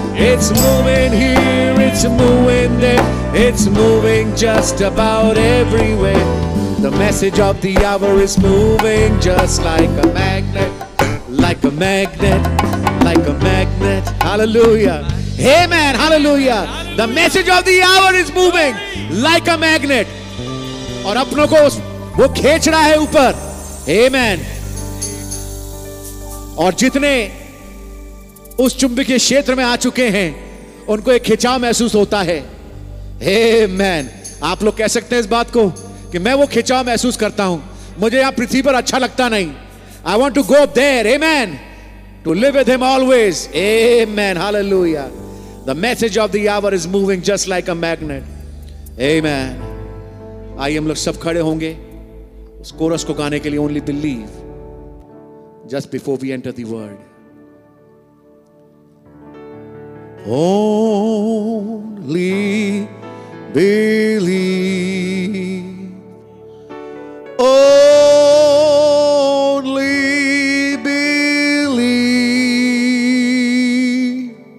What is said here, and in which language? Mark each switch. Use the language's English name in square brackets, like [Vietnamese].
[English] It's moving here, it's moving there, it's moving just about everywhere. The message of the hour is moving just like a magnet, like a magnet, like a magnet. Hallelujah. Amen. Hallelujah. The message of the hour is moving like a magnet. [Hindi] और अपनों को वो खींच रहा है ऊपर. [English] Amen. [Hindi] और जितने उस चुंबकीय क्षेत्र में आ चुके हैं उनको एक खिंचाव महसूस होता है. [English] Amen. [Hindi] आप लोग कह सकते हैं इस बात को कि मैं वो खिंचाव महसूस करता हूं, मुझे यहां पृथ्वी पर अच्छा लगता नहीं. [English] I want to go up there. Amen. To live with him always. Amen. Hallelujah. The message of the hour is moving just like a magnet. Amen. [Hindi] आइए हम लोग सब खड़े होंगे उस कोरस को गाने के लिए. [English] Only believe. Just before we enter the word. Only believe. Only believe.